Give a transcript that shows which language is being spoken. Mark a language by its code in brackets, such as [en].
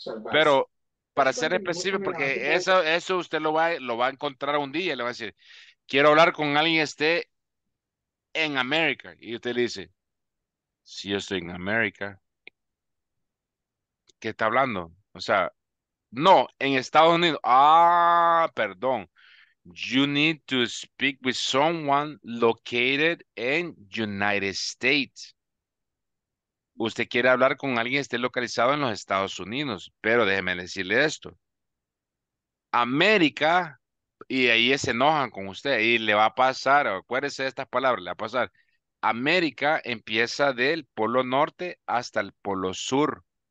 [es] Pero para ser específico, porque eso usted lo va a encontrar un día, le va a decir, quiero hablar con alguien que esté en América. Y usted le dice, si yo estoy en América, ¿qué está hablando? O sea, No, en Estados Unidos. Ah, perdón. [en] You need to speak with someone located in United States. [es] Usted quiere hablar con alguien que esté localizado en los Estados Unidos, pero déjeme decirle esto. América, y ahí se enojan con usted, y le va a pasar, acuérdese de estas palabras, le va a pasar. América empieza del polo norte hasta el polo sur.